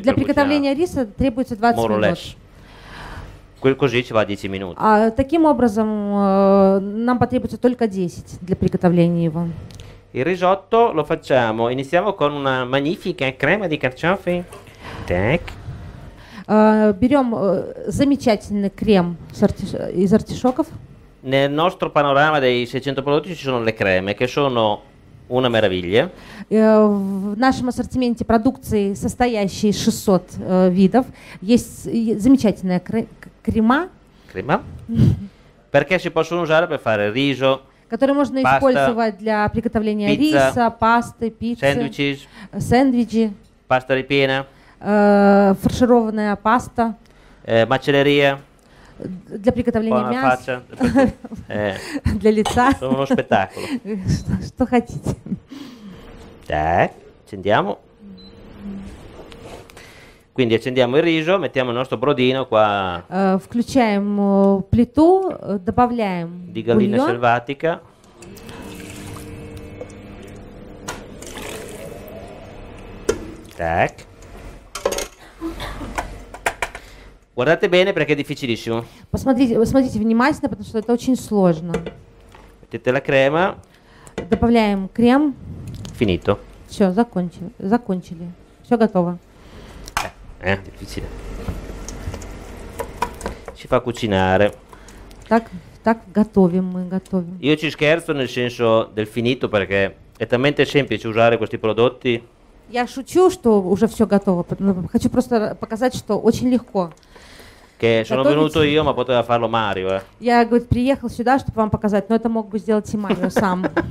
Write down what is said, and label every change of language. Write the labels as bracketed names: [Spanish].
[Russian] для приготовления риса требуется 20 минут. [Italian] Quel così ci va 10 minuti. [Russian] Таким образом нам потребуется только 10 для приготовления его. [Italian] Il risotto lo facciamo, iniziamo con una magnifica crema di carciofi. [Russian] Так. Берем замечательный крем из артишоков. [Italian] Nel nostro panorama dei 600 prodotti ci sono le creme, che sono una meraviglia. [Russian] В нашем ассортименте продукции, состоящей 600 видов, есть замечательная крема. Крема. [Italian] Perché si possono usare per fare riso, [Russian] которые можно паста, использовать для приготовления [Italian] pizza, [Russian] риса, пасты, пиццы, сэндвичи, паста репина, фаршированная паста, мачеллерия, для приготовления мяса, [Italian] faccia, [Russian] для лица, [Italian] sono uno spettacolo. [Russian] Что хотите. Так, [Italian] accendiamo. Quindi accendiamo il riso, mettiamo il nostro brodino qua. [Russian] Включаем плиту, добавляем [Italian] di gallina [Russian] бульон. [Italian] Selvatica. [Russian] Так. [Italian] Guardate bene perché è difficilissimo. [Russian] Посмотрите внимательно, потому что это очень сложно. [Italian] Mettete la crema. [Russian] Добавляем крем. [Italian] Finito. [Russian] Все, закончили. Все готово. [Italian] Difficile. Si fa cucinare. [Russian] Так готовим. [Italian] Io ci scherzo nel senso del finito perché è talmente semplice usare questi prodotti. [Russian] Я шучу, что уже все готово. Хочу просто показать, что очень легко. [Italian] Che sono venuto io, ma poteva farlo Mario. [Russian] Я приехал сюда, чтобы вам показать, но это мог бы сделать и Марио сам.